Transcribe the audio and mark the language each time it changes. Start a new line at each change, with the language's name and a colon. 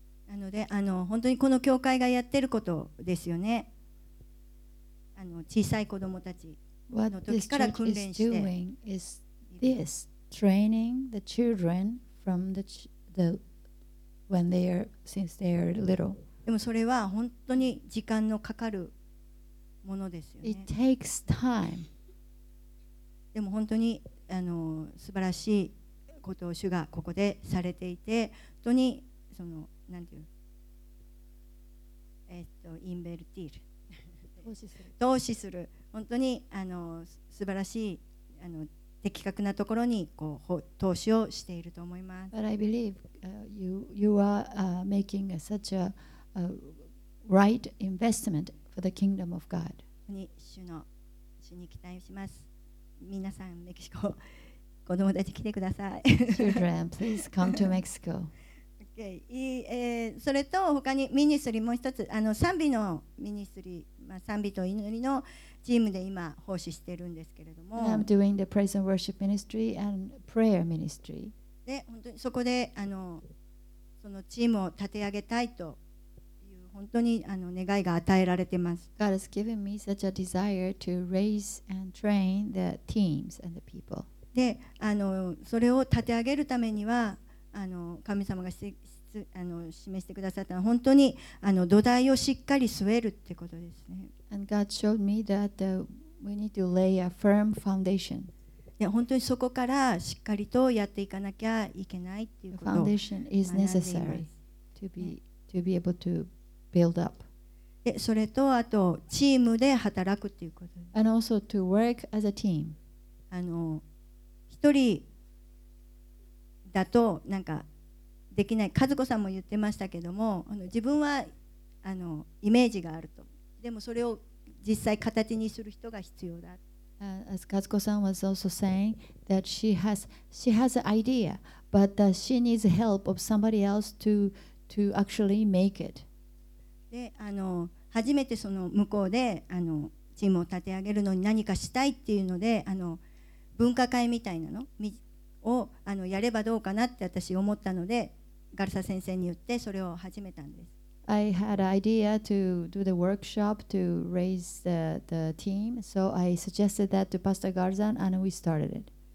Japanese: なのであの本当にこの教会がやってることですよね。あの小さい子供たちの時から訓練して。
English: What this church is doing is this: training the children from the when they are since they are little.
Japanese: でもそれは本当に時間のかかるものですよね。
English: It takes time.
Japanese: でも本当にあの素晴らしいことを主がここでされていて、本当にそのなんていうインベルティール投資する投資する本当にあの素晴らしいあの的確なところにこう投資をしていると思います。
English: But I believe you are making such a right investment for the kingdom of God.
Japanese: 主に期待します。皆さんメキシコ子供たち来てください。
English: Children, please come to Mexico. Okay.
Japanese: それと他にミニストリーもう一つ賛美のミニストリー、まあ、賛美と祈りのチームで今奉仕してるんですけれども。
English: I'm doing the praise and worship ministry and prayer ministry.
Japanese: で本当にそこでそのチームを立て上げたいという本当に願いが与えられてます。
English: God has given me such a desire to raise and train the teams and the people.
Japanese: でそれを立て上げるためには神様が示してくださったのは本当に土台をしっかり据えるってことですね。
English: And God showed me that we need to lay a firm foundation.
Japanese: 本当にそこからしっかりとやっていかなきゃいけないっていうことを。
English: Foundation is necessary to be able to build up.
Japanese: でそれとあとチームで働くっていうことです。
English: And also to work as a team.
Japanese: 一人だとなんかできない。和子さんも言ってましたけども、自分はイメージがあると。でもそれを実際形にする人が必要だ。
English: As Kazuko-san was also saying that she has an idea, but she needs help of somebody else to actually make it.
Japanese: で、初めてその向こうでチームを立て上げるのに何かしたいっていうので分科会みたいなのをやればどうかなって私思ったので、ガルサ先生に言ってそれを始めたんです。
English: I had an idea to do the workshop to raise the team, so I suggested that to Pastor Garza, and we started it.